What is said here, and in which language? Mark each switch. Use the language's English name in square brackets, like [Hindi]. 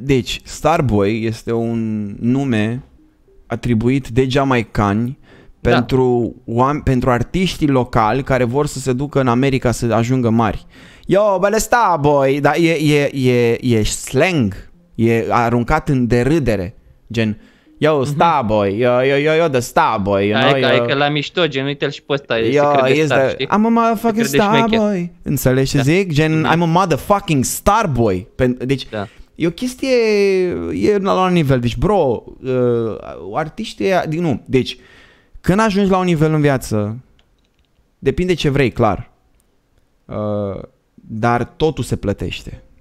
[Romanian] Deci, Starboy este un nume atribuit de jamaicani pentru, pentru artiștii locali care vor să se ducă în America să ajungă mari. Yo, bale Starboy, dar e slang, e aruncat în derâdere, gen... [English] Yo, Starboy, yo, the Starboy, you know? [Romanian] Hai că la mișto, gen, uite-l și pe ăsta, se crede star, știi? [English] I'm a motherfucking Starboy, [Romanian] înțelegi ce zic? Gen, [English] I'm a motherfucking Starboy. [Romanian] Deci, e o chestie, e la un nivel. Deci, bro, artiștii, nu, deci, când ajungi la un nivel în viață, depinde ce vrei, clar, dar totul se plătește.